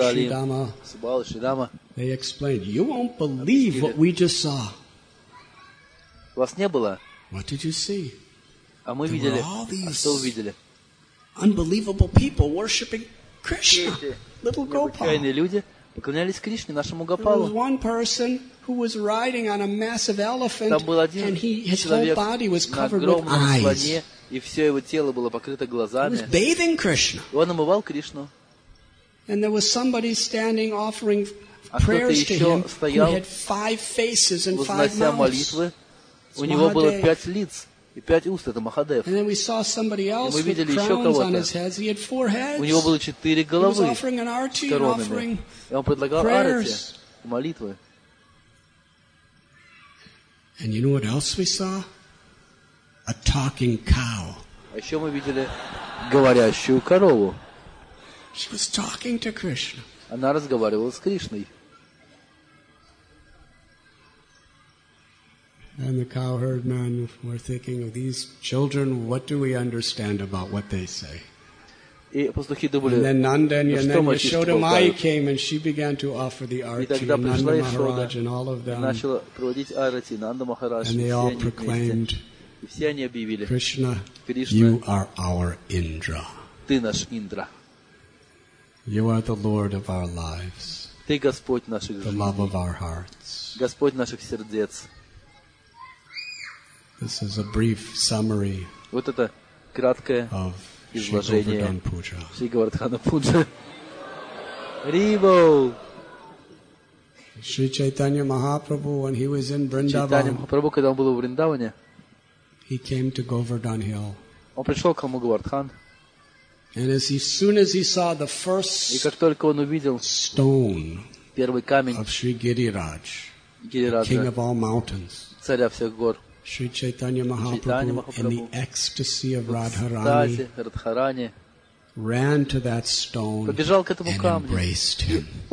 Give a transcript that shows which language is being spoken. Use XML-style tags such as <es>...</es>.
<en>Shridama, they explained, you won't believe what we just saw. What did you see? There were all these unbelievable people worshipping Krishna. Little Gopal.</en> <ru>Поклонялись Кришне, нашему Гопалу. Там был один человек на огромном слоне, и все его тело было покрыто глазами. И он омывал Кришну. А кто-то еще стоял, вознося молитвы. У него было пять лиц и пять уст, это Махадев. И мы видели еще кого-то. У него было четыре головы с коронами. И он предлагал арати, молитвы.</ru> <en>And you know what else we saw? A talking cow.</en> <ru>А еще мы видели говорящую корову.</ru> <en>She was talking to Krishna.</en> <ru>Она разговаривала с Кришной.</ru> <en>And the cowherd men were thinking of these children. What do we understand about what they say?</en> <ru>И пастухи думали,</ru> <en>and then Nanda and Yananda Yashoda Mai came, and she began to offer the arati, Nanda Maharaj and all of them. And they all proclaimed, Krishna, you are our Indra.</en> <ru>Ты наш Индра.</ru> <en>You are the Lord of our lives.</en> <ru>Ты Господь наших жизней.</ru> <en>The love of our hearts.</en> <ru>Господь наших сердец.</ru> <en>This is a brief summary.</en> <ru>Вот это краткое</ru> <en>of</en> <ru>изложение Шри Говардхана Пуджа. Рибо.</ru> <en>Шри Чайтанья Махапрабху, when he was in Vrindavan.</en> <ru>Чайтанья Махапрабху, когда он был в Вриндаване.</ru> <en>He came to Govardhan Hill.</en> <ru>Он пришел к холму Говардхан.</ru> <en>And as soon as he saw the first stone</en> <ru>первый камень</ru> <en>of Shri Giriraj, king of all mountains,</en> <ru>царя всех гор,</ru> <en>Shri Chaitanya Mahaprabhu, in the ecstasy of Radharani, ran to that stone and embraced him.</en>